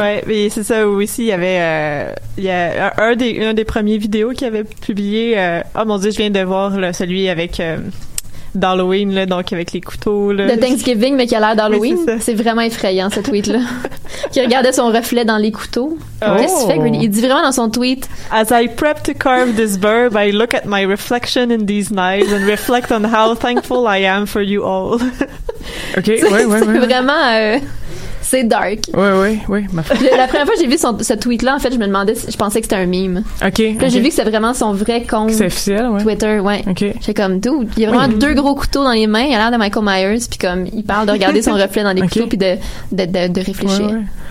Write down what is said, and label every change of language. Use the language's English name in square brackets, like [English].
[French] Oui, mais c'est ça aussi, il y avait un des premiers vidéos qu'il avait publié. Oh mon Dieu, je viens de voir celui avec d'Halloween, là, donc avec les couteaux. Là. De Thanksgiving, mais qui a l'air d'Halloween. C'est vraiment effrayant, ce tweet-là. Qui regardait son reflet dans les couteaux. Oh. Qu'est-ce qu'il fait, Gritty? Il dit vraiment dans son tweet: [English] As I prep to carve this burb, I look at my reflection in these knives and reflect on how thankful I am for you all. [French] OK, ouais. Vraiment. C'est dark. Oui, ma foi. La première fois que j'ai vu ce tweet-là, en fait, je me demandais, je pensais que c'était un meme. OK. Puis là, j'ai vu que c'était vraiment son vrai compte. C'est officiel, ouais. Twitter, ouais. OK. J'étais comme, dude, il y a vraiment deux gros couteaux dans les mains, il a l'air de Michael Myers, puis comme, il parle de regarder son reflet dans les couteaux, puis de réfléchir.